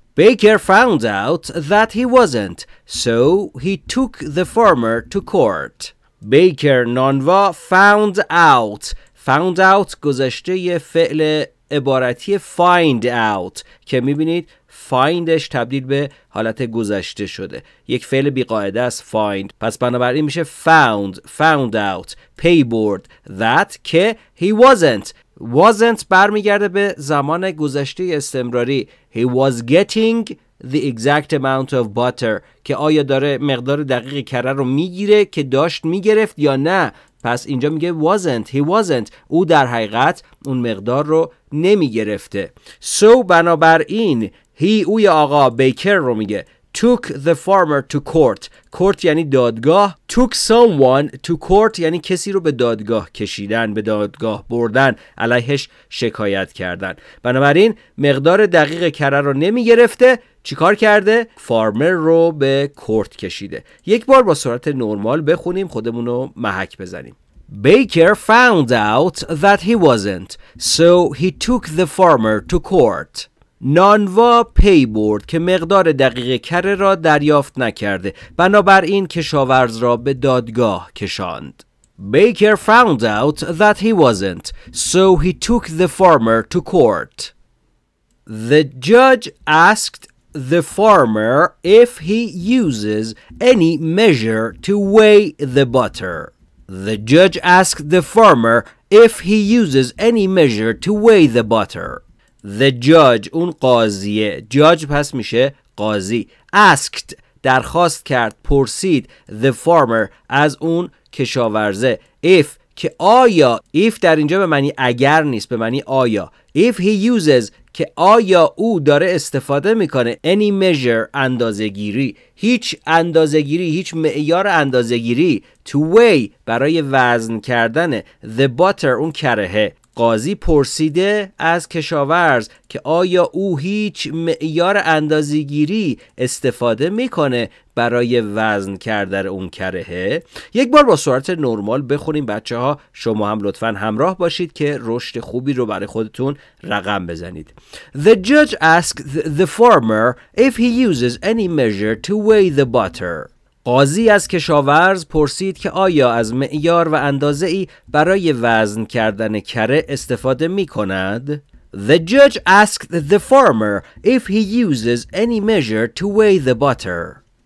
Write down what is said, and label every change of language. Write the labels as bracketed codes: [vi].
[en] Baker found out that he wasn't, so he took the farmer to court. Baker [fa] نانوا [en] found out. Found out [fa] گذشته یه فعل عبارتی find out که میبینید findش تبدیل به حالت گذشته شده. یک فعل بیقاعده است find. پس بنابراین میشه found. Found out. Pay board. [en] That [fa] که [en] he wasn't. [fa] Wasn't برمیگرده به زمان گذشته استمراری. [en] He was getting the exact amount of butter. [fa] که آیا داره مقدار دقیق کره رو میگیره که داشت میگرفت یا نه. پس اینجا میگه wasn't. He wasn't. او در حقیقت اون مقدار رو نمیگرفته. [en] So [fa] بنابراین he اوی آقا بیکر رو میگه. [en] Took the farmer to court. Court [fa] یعنی دادگاه. Took someone to court یعنی کسی رو به دادگاه کشیدن، به دادگاه بردن، علیهش شکایت کردن. بنابراین مقدار دقیق کره رو نمی گرفته. چیکار کرده؟ فارمر رو به کورت کشیده. یک بار با صورت نرمال بخونیم خودمون رو محک بزنیم. [en] Baker found out that he wasn't. So he took the farmer to court. [fa] نانوا پی برد که مقدار دقیق کره را دریافت نکرده. بنابراین کشاورز را به دادگاه کشاند. [en] Baker found out that he wasn't, so he took the farmer to court. The judge asked the farmer if he uses any measure to weigh the butter. The judge asked the farmer if he uses any measure to weigh the butter. The judge, اون قاضیه. [fa] Judge پس میشه قاضی. Asked, درخواست کرد, پرسید. The farmer, از اون کشاورزه. If که آیا، if در اینجا به معنی اگر نیست، به معنی آیا. [en] If he uses [fa] که آیا او داره استفاده میکنه any measure اندازه‌گیری، هیچ اندازه‌گیری، هیچ معیار اندازه‌گیری [en] to weigh [fa] برای وزن کردن [en] the butter [fa] اون کرهه. قاضی پرسیده از کشاورز که آیا او هیچ معیار اندازه‌گیری استفاده میکنه برای وزن کردن اون کرهه. یک بار با صورت نرمال بخونیم بچه ها، شما هم لطفا همراه باشید که رشد خوبی رو برای خودتون رقم بزنید. [en] The judge asked the farmer if he uses any measure to weigh the butter. [fa] قاضی از کشاورز پرسید که آیا از معیار و اندازه ای برای وزن کردن کره استفاده می کند؟ [en] The judge asked the farmer if he uses any measure to weigh the butter.